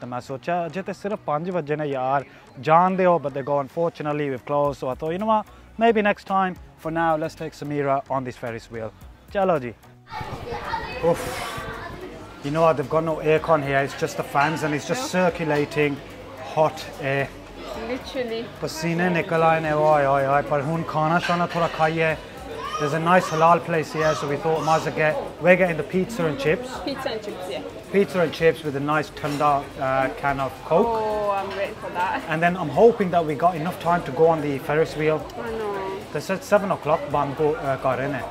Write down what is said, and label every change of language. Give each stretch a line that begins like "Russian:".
English: Then I thought,
Hindi: aaj to sirf 5 baje na yaar, jaan de ho,
English: but they go, unfortunately, we've closed. So I thought, you know what, maybe next time. For now, let's take Samira on this Ferris wheel.
Hindi: Chalo ji.
English: Oof. You know what, they've got no aircon here, it's just the fans and it's just circulating hot air. Literally.
Punjabi: ਪਸੀਨੇ ਨਿਕਲ ਆਏ ਨੇ, ਓਈ ਓਈ ਓਈ, ਪਰ ਹੁਣ ਖਾਣਾ ਸ਼ਾਣਾ ਥੋੜ੍ਹਾ ਖਾਈ ਹੈ.
English: There's a nice halal place here, so we thought we might as well get... We're getting the pizza and chips. Pizza and chips, yeah. Pizza and chips with a nice tanda can of Coke. Oh, I'm waiting for that. And then I'm hoping that we got enough time to go on the Ferris wheel. I know. They said 7 o'clock, but I'm going to go.